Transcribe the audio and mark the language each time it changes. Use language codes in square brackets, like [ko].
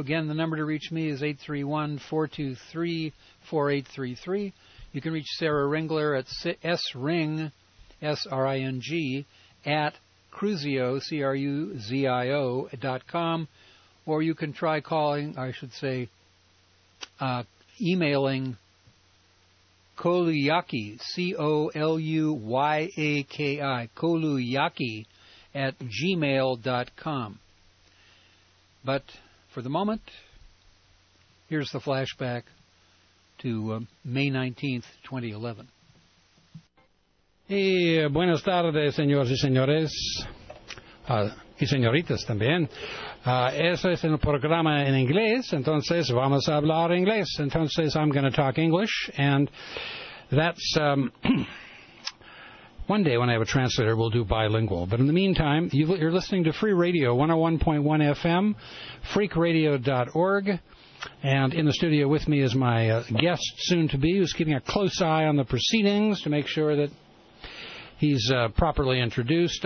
[en] Again, the number to reach me is 831-423-4833. You can reach Sarah Ringler at sring, S-R-I-N-G, at Cruzio, C-R-U-Z-I-O, .com, or you can try calling, I should say, emailing Koluyaki, C-O-L-U-Y-A-K-I, Koluyaki, at gmail.com. But for the moment, here's the flashback to May 19th, 2011. [es] Y buenas tardes, señores y señores, y señoritas también. Eso es el programa en inglés, entonces vamos a hablar inglés. [en] Entonces I'm going to talk English, and that's one day when I have a translator, we'll do bilingual. But in the meantime, you're listening to Free Radio, 101.1 FM, freakradio.org. And in the studio with me is my guest, soon-to-be, who's keeping a close eye on the proceedings to make sure that he's properly introduced.